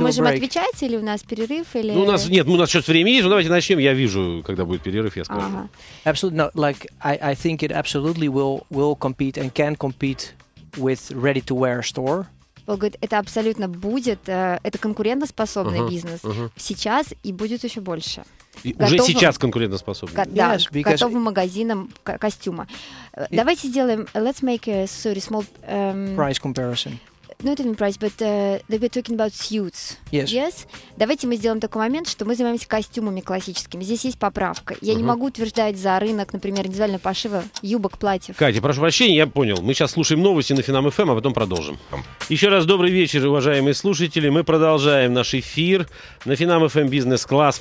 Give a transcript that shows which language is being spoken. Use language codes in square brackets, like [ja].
[ru] Мы можем отвечать, или у нас перерыв, или... Ну, у нас сейчас время есть, но давайте начнем. Я вижу, когда будет перерыв, я скажу. [en] Absolutely, I think it absolutely will compete and can compete with ready-to-wear store. [ru] Он говорит, это абсолютно будет, это конкурентоспособный бизнес сейчас и будет еще больше. Уже сейчас конкурентоспособный. Готовым магазинам костюма. Давайте сделаем, [en] let's make a sorry, small... price comparison. Not even price, but we're talking about suits. Yes. [ru] Давайте мы сделаем такой момент, что мы занимаемся костюмами классическими. Здесь есть поправка. Я не могу утверждать за рынок, например, индивидуального пошива юбок, платьев. Катя, прошу прощения, я понял. Мы сейчас слушаем новости на Финам FM, а потом продолжим. Еще раз добрый вечер, уважаемые слушатели. Мы продолжаем наш эфир на Финам FM бизнес-класс.